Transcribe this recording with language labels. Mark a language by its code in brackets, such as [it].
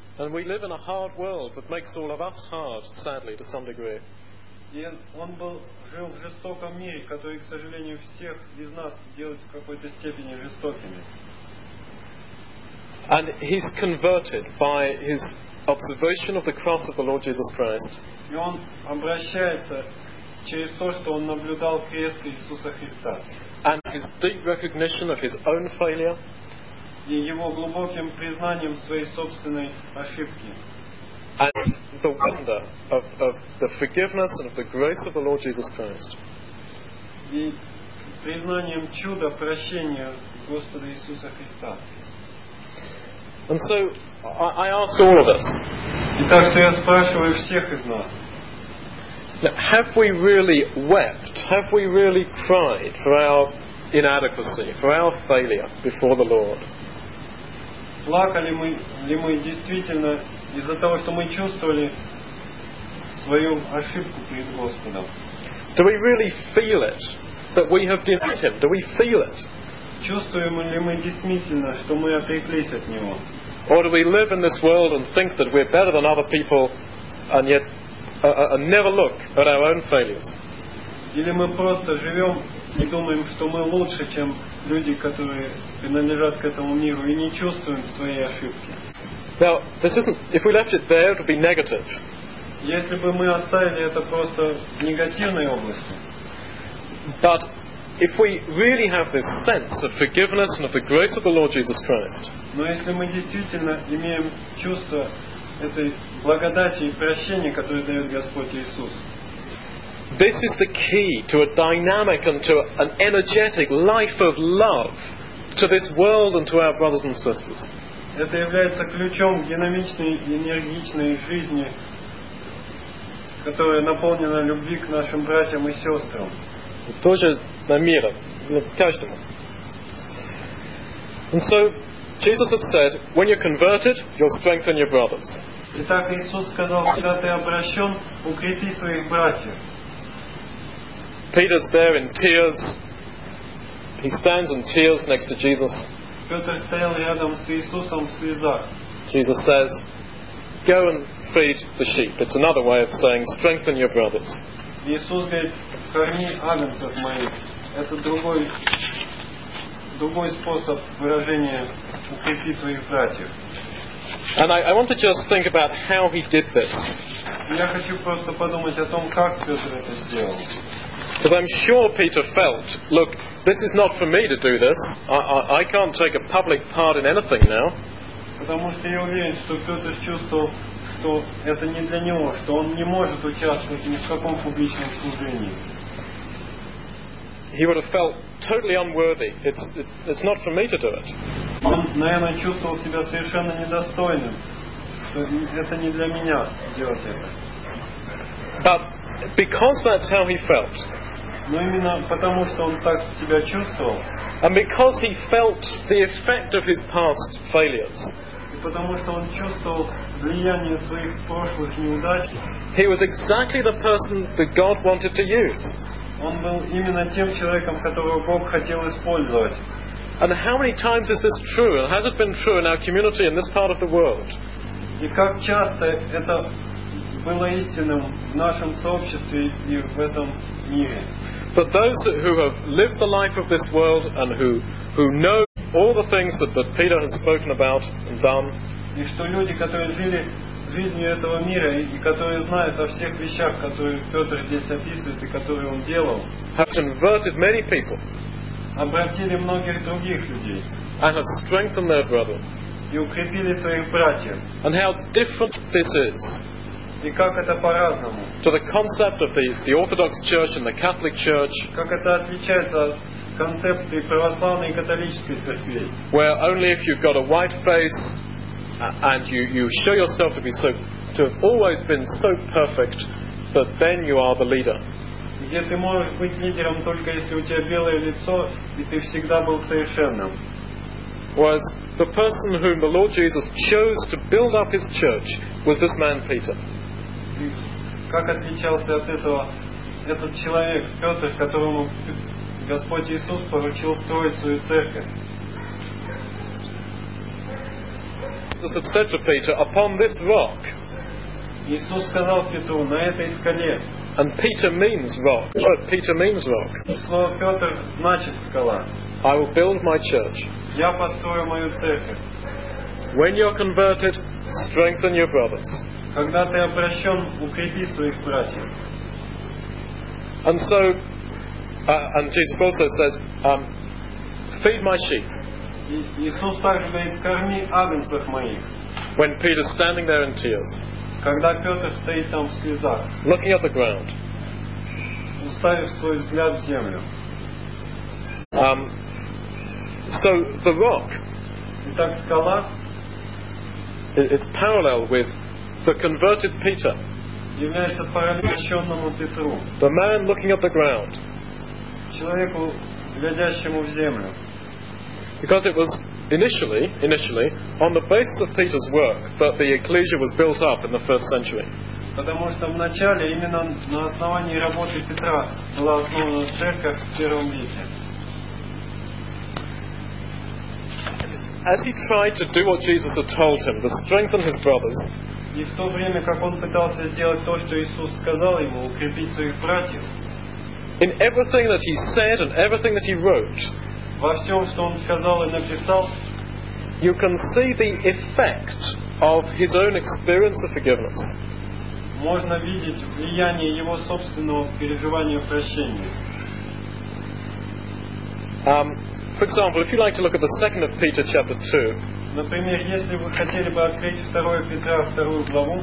[en] And we live in a hard world that makes all of us hard, sadly, to some degree. [ru] И он был жил в жестоком мире, который, к сожалению, всех из нас делает в какой-то степени жестокими. [en] And he's converted by his observation of the cross of the Lord Jesus Christ. [ru] И он обращается через то, что он наблюдал крест Иисуса Христа. [en] And his deep recognition of his own failure. [ru] И его глубоким признанием своей собственной ошибки. [en] And the wonder of the forgiveness and of the grace of the Lord Jesus Christ. [ru] И признанием чуда прощения Господа Иисуса Христа. [en] And so I ask all of us. [ru] Итак, я спрашиваю всех из нас. [en] Now, have we really wept? Have we really cried for our inadequacy, for our failure before the Lord? [ru] Плакали мы ли мы действительно из-за того, что мы чувствовали свою ошибку перед Господом? [en] Do we really feel it that we have denied Him? Do we feel it? [ru] Чувствуем ли мы действительно, что мы отреклись от Него? [en] Or do we live in this world and think that we're better than other people, and yet? And never look at our own failures. [ru] Или мы просто живем и думаем, что мы лучше, чем люди, которые принадлежат к этому миру, и не чувствуем свои ошибки. [en] Now, this isn't. If we left it there, it would be negative. [ru] Если бы мы оставили это просто в негативной области. [en] But if we really have this sense of forgiveness and of the grace of the Lord Jesus Christ. [ru] Но если мы действительно имеем чувство этой благодати и прощения, которое дает Господь Иисус. [en] This is the key to a dynamic and to an energetic life of love to this world and to our brothers and sisters. [ru] Это является ключом к динамичной и энергичной жизни, которая наполнена любви к нашим братьям и сестрам. Тоже на мир, каждому. [en] And so, Jesus had said, when you're converted, you'll strengthen your brothers. [ru] Итак, Иисус сказал, когда ты обращен, укрепи своих братьев. [en] Peter's there in tears. He stands in tears next to Jesus. [ru] Петр стоял рядом с Иисусом в слезах. [en] Jesus says, "Go and feed the sheep." It's another way of saying, "Strengthen your brothers." [ru] Иисус говорит, "Корми агнцев моих." Это другой способ выражения укрепи твоих братьев. [en] And I want to just think about how he did this. [ru] Я хочу просто подумать о том, как Петр это сделал. [en] Because I'm sure Peter felt, look, this is not for me to do this. I can't take a public part in anything now. [ru] Потому что я уверен, что Петр чувствовал, что это не для него, что он не может участвовать ни в каком публичном служении. [en] He would have felt totally unworthy. It's not for me to do it. [ru] Он, наверное, чувствовал себя совершенно недостойным, что это не для меня делать это. [en] But because that's how he felt. [ru] Но именно потому, что он так себя чувствовал. [en] And because he felt the effect of his past failures. [ru] И потому, что он чувствовал влияние своих прошлых неудач. [en] He was exactly the person that God wanted to use. [ru] Он был именно тем человеком, которого Бог хотел использовать. [en] And how many times is this true? Has it been true in our community in this part of the world? [ru] И как часто это было истинным в нашем сообществе и в этом мире? [en] But those who have lived the life of this world and who know all the things that Peter has spoken about and done. [ru] И что люди, которые жили жизнью этого мира и которые знают о всех вещах, которые Петр здесь описывает и которые он делал, [en] have converted many people. [ru] Обратили многих других людей. [en] And have strengthened their brother. [ru] И укрепили своих братьев. [en] And how different this is. [ru] И как это по-разному. [en] To the concept of the Orthodox Church and the Catholic Church. [ru] Как это отличается от концепции православной и католической церкви. [en] Where only if you've got a white face and you show yourself to have always been so perfect, that then you are the leader. [ru] Где ты можешь быть лидером только если у тебя белое лицо и ты всегда был совершенным. [en] Was the person whom the Lord Jesus chose to build up his church was this man Peter. [ru] Как отличался от этого этот человек Петр, которому Господь Иисус поручил строить свою церковь? [en] Jesus had said to Peter, "Upon this rock." [ru] Иисус сказал Петру, на этой скале. [en] And Peter means rock. Word Peter means rock. [ru] Слово Петр значит скала. [en] I will build my church. [ru] Я построю мою церковь. [en] When you are converted, strengthen your brothers. [ru] Когда ты обращен, укрепи своих братьев. [en] And so, and Jesus also says, feed my sheep. [ru] Иисус также говорит, корми агнцев моих. [en] When Peter's standing there in tears. [ru] Когда Петр стоит там в слезах. [en] Looking at the ground. [ru] Уставив свой взгляд в землю. [en] So the rock. [ru] Итак, скала. [en] It's parallel with the converted Peter. [ru] Является порабощенному Петру. [en] The man looking at the ground. [ru] Человеку, глядящему в землю. [en] Because it was initially, on the basis of Peter's work, that the ecclesia was built up in the first century. [ru] Потому что вначале именно на основании работы Петра была основана церковь в первом веке. [en] As he tried to do what Jesus had told him, to strengthen his brothers. [ru] И в то время, как он пытался сделать то, что Иисус сказал ему, укрепить своих братьев. [en] In everything that he said and everything that he wrote. [ru] Во всем, что он сказал и написал. [en] You can see the effect of his own experience of forgiveness. [ru] Можно видеть влияние его собственного переживания прощения. [en] For example, if you'd like to look at the second of Peter, chapter 2. [ru] Например, если вы хотели бы открыть 2 Петра, 2 главу.